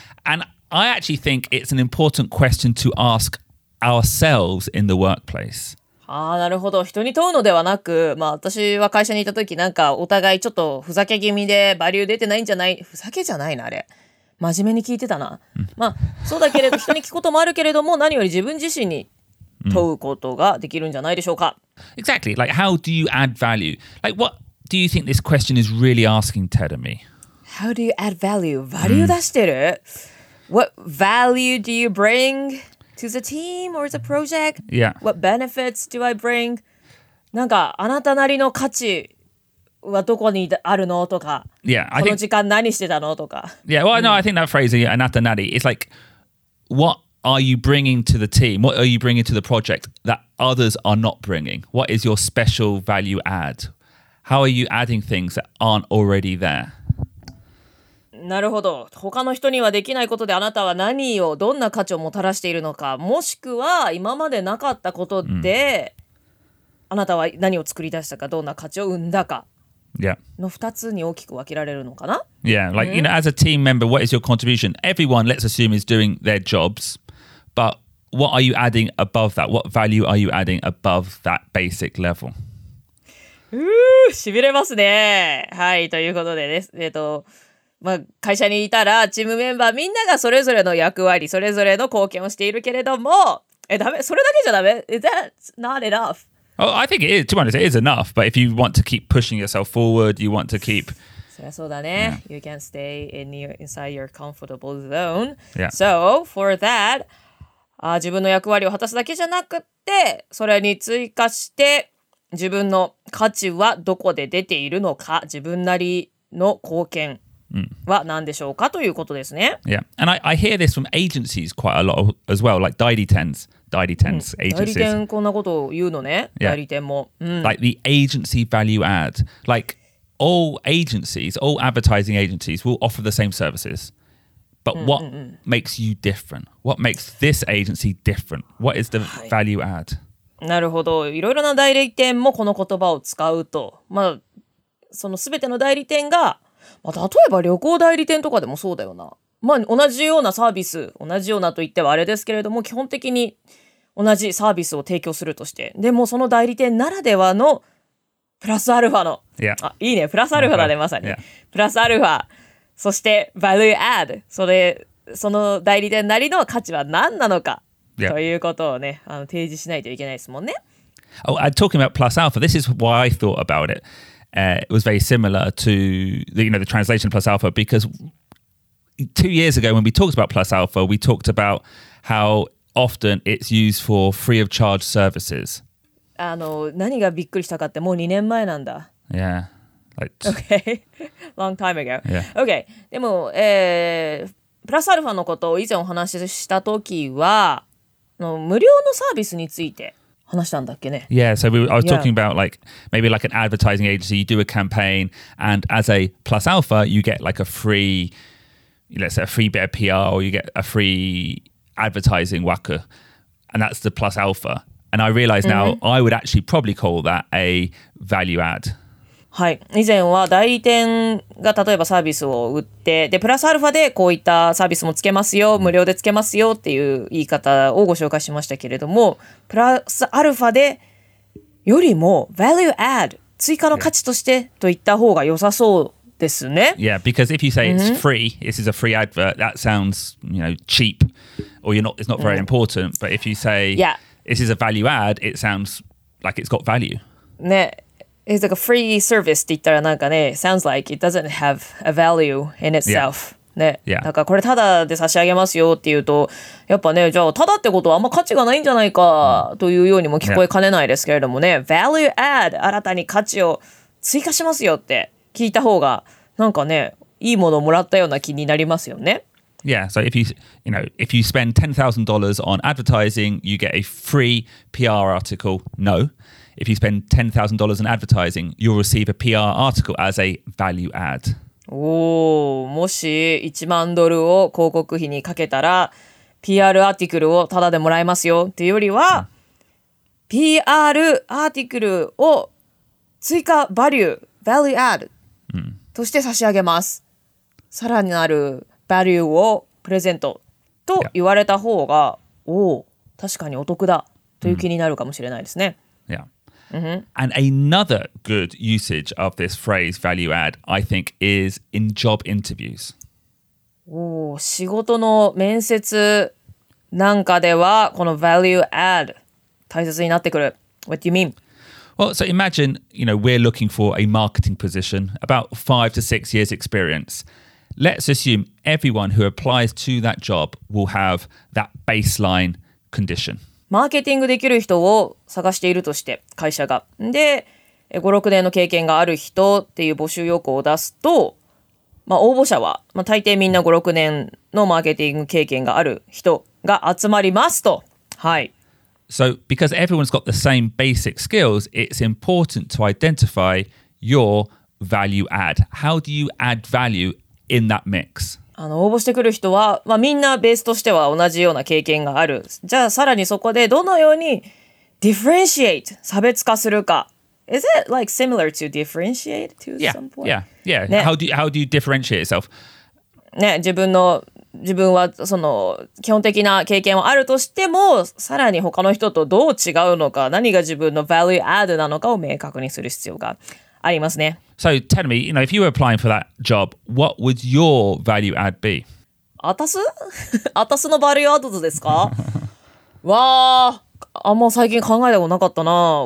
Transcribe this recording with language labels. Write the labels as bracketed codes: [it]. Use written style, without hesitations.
[en] And I actually think it's an important question to ask ourselves in the workplace. [ja] ああ、なるほど。人に問うのではなく、まあ私は会社にいた時なんかお互いちょっとふざけ気味でバリュー出てないんじゃない、ふざけじゃないなあれ。真面目に聞いてたな。まあそうだけれど人に聞くこともあるけれども何より自分自身に問うことができるんじゃないでしょうか。 [en] Exactly. Like, how do you add value? Like, what do you think this question is really asking, Ted and me? How do you add value? [ja] Value 出してる? [en] What value do you bring to the team or the project? Yeah. What benefits do I bring? [ja] なんかあなたなりの価値はどこにあるのとか。 [en] Yeah. [ja] この時間何してたのとか。 [en] Yeah. Well, no. I think that phrase, [ja] あなたなり, [en] it's like, what? Are you bringing to the team? What are you bringing to the project that others are not bringing? What is your special value add? How are you adding things that aren't already there? [ja] なるほど。他の人にはできないことであなたは何をどんな価値をもたらしているのか、もしくは今までなかったことで、あなたは何を作り出したか、どんな価値を生んだか。 [en] Yeah. Like, you know, as a team member, what is your contribution? Everyone, let's assume, is doing their jobs. But what are you adding above that? What value are you adding above that basic level? [ja] しびれますね。はい、ということでです。まあ、会社にいたら、チームメンバーみんながそれぞれの役割、それぞれの貢献をしているけれども、ダメ、それだけじゃダメ? [en] That's not enough. Oh, I think it is, to be honest, it is enough. But if you want to keep pushing yourself forward, you want to keep... [ja] そりゃそうだね。 [en] Yeah. You can stay in your, inside your comfortable zone. Yeah. So, for that, [ja] 自分の役割を果たすだけじゃなくて、それに追加して、自分の価値はどこで出ているのか、自分なりの貢献は何でしょうかということですね。 [en] Yeah. And I hear this from agencies quite a lot as well, like Daily Tens. [ja] 代理店、agencies. 代理店こんなことを言うのね、代理店も、 [en] Like the agency value add. Like all agencies, all advertising agencies will offer the same services. But what makes you different? What makes this agency different? What is the value add? [ja] なるほど。いろいろな代理店もこの言葉を使うと、まあ、そのすべての代理店が、まあ、例えば旅行代理店とかでもそうだよな。まあ、同じようなサービス、同じようなと言ってはあれですけれども、基本的に同じサービスを提供するとして、でもその代理店ならではのプラスアルファの、 [en] yeah. [ja] あ、いいね、プラスアルファだね、まさに。 [en] Yeah. [ja] プラスアルファ、そして value add、その代理店なりの価値は何なのか、 [en] yeah. [ja] ということをね、提示しないといけないですもんね。 [en] Oh, I'm talking about plus alpha. This is why I thought about it. It was very similar to the, you know, the translation plus alpha because... 2 years ago, when we talked about Plus Alpha, we talked about how often it's used for free of charge services. [ja] 何がびっくりしたかってもう2年前なんだ。 [en] Yeah. Okay. Long time ago. Yeah. [ja] Okay. でも、Plus Alpha のことを以前お話しした時は、無料のサービスについて話したんだっけね。 [en] Yeah. So I was talking about like, maybe like an advertising agency, you do a campaign, and as a Plus Alpha, you get like a freeLet's say a free bit of PR or you get a free advertising waka. And that's the plus alpha. And I realize now、mm-hmm. I would actually probably call that a value add. [ja] はい。以前は代理店が例えばサービスを売って、で、プラスアルファでこういったサービスもつけますよ、無料でつけますよっていう言い方をご紹介しましたけれども、プラスアルファでよりも value add、追加の価値としてといった方が良さそうですね、 [en] yeah, because if you say it's free, this is a free advert, that sounds, you know, cheap, or you're not, it's not very important. But if you say, yeah, this is a value add, it sounds like it's got value. ね、it's like a free service [ja] って言ったらなんかね、 [en] sounds like it doesn't have a value in itself. Yeah. [ja] ね、 [en] yeah. [ja] なんかこれタダで差し上げますよって言うと、やっぱね、じゃあタダってことはあんま価値がないんじゃないかというようにも聞こえかねないですけれどもね、yeah. value add、新たに価値を追加しますよって。聞いた方がなんかねいいものをもらったような気になりますよね。 [en] Yeah, so if you, you know, if you spend $10,000 on advertising, you get a free PR article. No, if you spend $10,000 on advertising, you'll receive a PR article as a value add. [ja] おお、もし1万ドルを広告費にかけたら PR アーティクルをタダでもらえますよっていうよりは、PR アーティクルを追加バリュー。 Value add、として差し上げます。さらになる value をプレゼントと言われた方が、yeah. おー、確かにお得だという気になるかもしれないですね。 [en] Yeah. Mm-hmm. And another good usage of this phrase value add, I think, is in job interviews. [ja] お、仕事の面接なんかではこの value add 大切になってくる。 [en] What do you mean? Well, so imagine, you know, we're looking for a marketing position, about 5 to 6 years experience. Let's assume everyone who applies to that job will have that baseline condition. [ja] マーケティングできる人を探しているとして、会社が。で、5、6年の経験がある人っていう募集要項を出すと、まあ、応募者は、まあ、大抵みんな5、6年のマーケティング経験がある人が集まりますと。はい。 [en] So, because everyone's got the same basic skills, it's important to identify your value add. How do you add value in that mix? [ja] 応募してくる人は、まあ、みんなベースとしては同じような経験がある。じゃあさらにそこでどのように differentiate 差別化するか。 [en] Is it like similar to differentiate to yeah, some point? Yeah, yeah.、ね、how do you differentiate yourself? [ja] ね、自分はその基本的な経験はあるとしてもさらに他の人とどう違うのか何が自分の value add なのかを明確にする必要がありますね。 [en] So tell me, you know, if you were applying for that job, what would your value add be? [ja] あたす？あたすの value add ですか？わー、あんま最近考えたことなかったな。